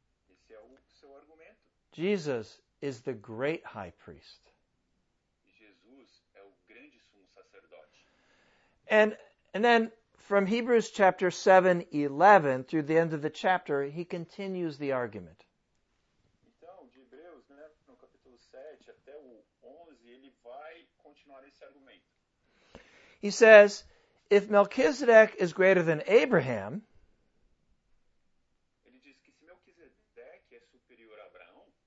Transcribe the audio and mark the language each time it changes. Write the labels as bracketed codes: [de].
[pt] Esse é o seu argumento. [en] Jesus is the great high priest. [pt] Jesus é o grande sumo sacerdote. [en] And then from Hebrews chapter 7, 11, through the end of the chapter, he continues the argument. [pt] Então, de Hebreus, né, no capítulo 7 até o 11, ele vai continuar esse argumento. [en] He says, if Melchizedek is greater than Abraham, [pt] ele diz que se Melquisedec é superior a Abraão,